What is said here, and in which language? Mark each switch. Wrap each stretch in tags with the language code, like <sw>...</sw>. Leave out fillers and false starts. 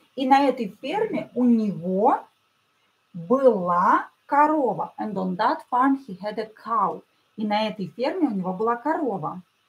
<ru>И на этой ферме у него была корова.</ru> <en>And on that farm he had a cow.</en> <ru>И на этой ферме у него была корова.</ru>